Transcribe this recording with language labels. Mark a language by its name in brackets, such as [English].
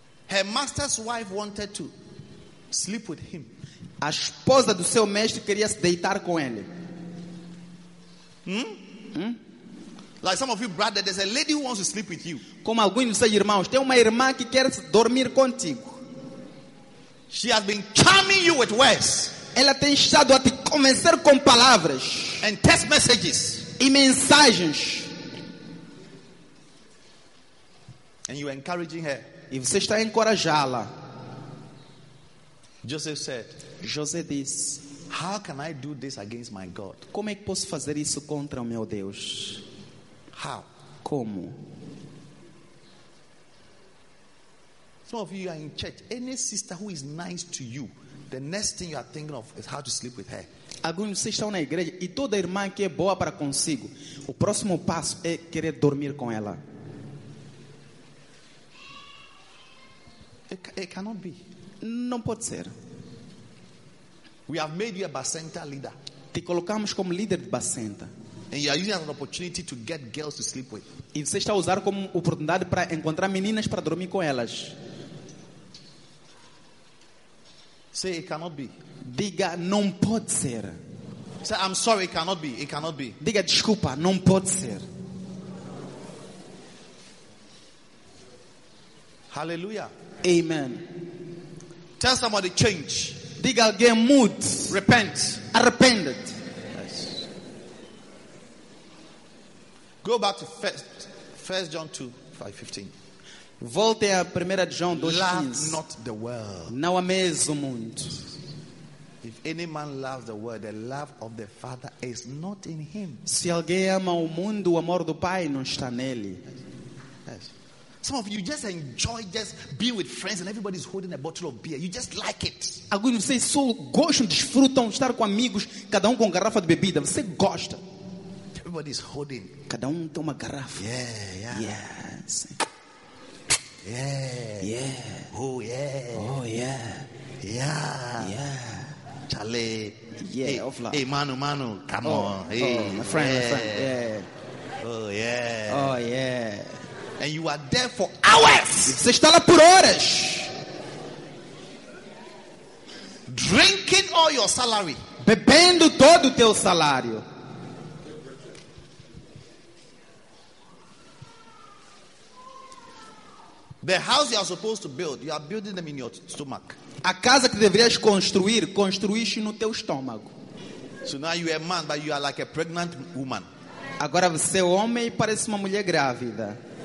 [English] Her master's wife wanted to sleep with him. [Portuguese] A esposa do seu mestre queria se deitar com ele. [English] Like some of you brother, there's a lady who wants to sleep with you. [Portuguese] Como alguns dos seus irmãos, tem uma irmã que quer dormir contigo. [English] She has been charming you with words. [Portuguese] Ela tem estado a te convencer com palavras. [English] And text messages. [Portuguese] E mensagens. [English] And you're encouraging her. [Portuguese] E você está a encorajá-la. [English] Joseph said, [Portuguese] José disse, [English] how can I do this against my God? [Portuguese] Como é que posso fazer isso contra o meu Deus? [English] How? [Portuguese] Como? [English] Some of you are in church. Any sister who is nice to you, the next thing you are thinking of is how to sleep with her. [Portuguese] Alguns de vocês estão na igreja e toda irmã que é boa para consigo, o próximo passo é querer dormir com ela. [English] It cannot be. [Portuguese] Não pode ser. [English] We have made you a Bacenta leader. [Portuguese] Te colocamos como líder de Bacenta. [English] And you are using an opportunity to get girls to sleep with. [Portuguese] E você está a usar como oportunidade para encontrar meninas para dormir com elas. [English] Say it cannot be. [Portuguese] Diga não pode ser. [English] Say I'm sorry, it cannot be. It cannot be. [Portuguese] Diga desculpa, não pode ser. [English] Hallelujah. [Portuguese] Amen. [English] Tell somebody change. [Portuguese] Diga alguém mood. [English] Repent. [Portuguese] Arrepended. [English] Yes. Go back to first John 2:5-15. [Portuguese] Volte a 1 João 2:15. [English] Love not the world. [Portuguese] Não ameis o mundo. [English] If any man loves the world, the love of the Father is not in him. [Portuguese] Se alguém ama o mundo, o amor do Pai não está nele. [English] Yes. Some of you just enjoy just being with friends and everybody's holding a bottle of beer. You just like it. [Portuguese] Alguns de vocês só gostam, desfrutam estar com amigos, cada com garrafa de bebida. Você gosta. [English] Everybody's holding. [Portuguese] Cada tem uma garrafa. [English] Yeah, yeah. Yes. Yeah. Yeah. Oh, yeah. Oh, yeah. Yeah. Yeah. Chale. Yeah, hey, offline. Hey, mano, mano. Come oh, on. Oh, hey, my friend, yeah. My friend. Yeah. Oh, yeah. Oh, yeah. And you are there for hours. [Portuguese] Você está lá por horas. [English] Drinking all your salary. [Portuguese] Bebendo todo o teu salário. [English] The house you are supposed to build, you are building them in your stomach. [Portuguese] A casa que deverias construir, construíste no teu estômago. [English] So now you are a man, but you are like a pregnant woman. [Portuguese] Agora você é homem e parece uma mulher grávida.